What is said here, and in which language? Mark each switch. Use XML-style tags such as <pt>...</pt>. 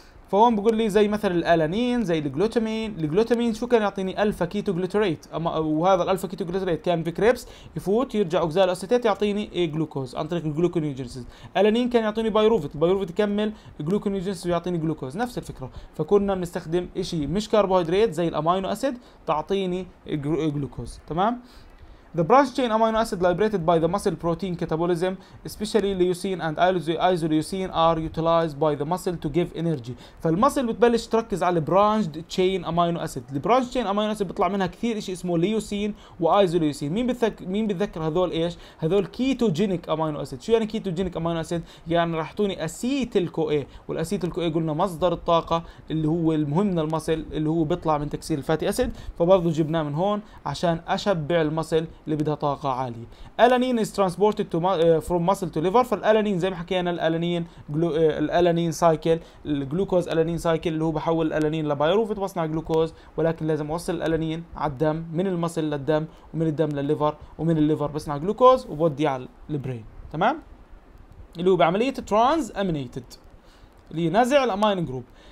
<ar>فهون بقول لي زي مثلا الالانين زي الجلوتامين، الجلوتامين شو كان يعطيني؟ الفا كيتو جلوتريت، اما وهذا الالفا كيتو جلوتريت كان في كريبس يفوت يرجع اوكزال اسيتات يعطيني إيه جلوكوز عن طريق الجلوكونيوجينيسيس. الانين كان يعطيني بايروفيت، البايروفيت يكمل جلوكونيوجينيسيس ويعطيني جلوكوز، نفس الفكره. فكنا بنستخدم شيء مش كربوهيدرات زي الامينو اسيد تعطيني جلوكوز، تمام.</ar> <en>The branch chain amino acid liberated by the muscle protein catabolism, especially leucine and isoleucine, are utilized by the muscle to give energy.</en> <ar>فالمسل بتبلش تركز على branched chain amino acid.</ar> <en>The branch chain amino acid</en> <ar>بيطلع منها كثير شيء اسمه leucine وisoleucine. مين بتذكر هذول ايش؟ هذول ketogenic amino acid. شو يعني ketogenic amino acid؟ يعني راح يعطوني acetyl CoA، والacetyl CoA قلنا مصدر الطاقة اللي هو المهم من المسل اللي هو بيطلع من تكسير الفاتي اسيد، فبرضه جبناه من هون عشان اشبع المسل اللي بدها طاقة عالية.</ar> <en>Alanine is transported to from muscle to liver.</en> <ar>فالالانين زي ما حكينا الالانين الالانين سايكل، الجلوكوز الانين سايكل اللي هو بحول الالانين لبايروفيت بصنع جلوكوز، ولكن لازم اوصل الالانين على الدم من المسل للدم ومن الدم للليفر ومن الليفر بصنع جلوكوز وبودي على البرين، تمام؟ اللي هو بعملية ترانز امينيتد اللي نزع الامين جروب.</ar>